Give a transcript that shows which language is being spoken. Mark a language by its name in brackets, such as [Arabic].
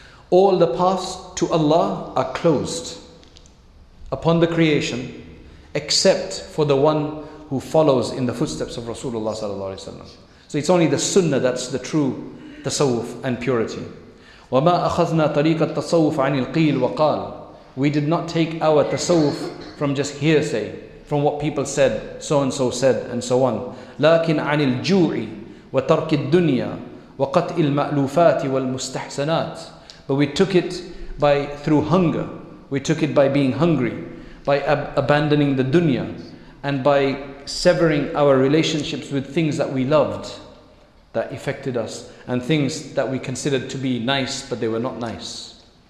[English] All the paths to Allah are closed upon the creation, except for the one who follows in the footsteps of Rasulullah sallallahu alayhi wa sallam. So it's only the sunnah that's the true tasawwuf and purity. [Arabic] وَمَا أَخَذْنَا طَرِيقَ التَّصَوُّفْ عَنِ الْقِيلِ وَقَالَ. [English] We did not take our tasawwuf from just hearsay, from what people said, so and so said, and so on. [Arabic] لَكِنْ عَنِ الْجُوعِ وترك الدنيا وقطع المألوفات والمستحسنات. [English] But we took it by through hunger. We took it by being hungry, by abandoning the dunya, and by severing our relationships with things that we loved, that affected us, and things that we considered to be nice, but they were not nice.